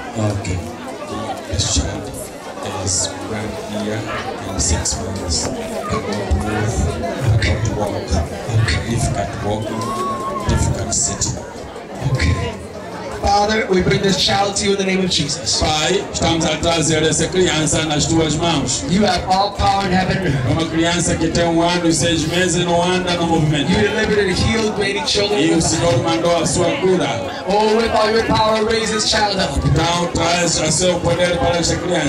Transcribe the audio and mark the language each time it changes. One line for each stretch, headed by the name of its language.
English: Ok. This child is 1 year and 6 months. Cannot move, cannot walk. Okay. Difficult walking, difficult sitting. Okay. Father, we bring this child to you in the name of Jesus.
Portuguese: Pai, estamos a trazer essa criança nas tuas mãos.
English: You have all power in heaven.
Portuguese: Uma criança que tem 1 ano e 6 meses não anda no movimento.
English: You delivered and healed many children.
Portuguese: E o Senhor mandou a sua cura.
English: Oh, with all your power, raise this child up.
Portuguese: Então traz o seu poder para esta criança.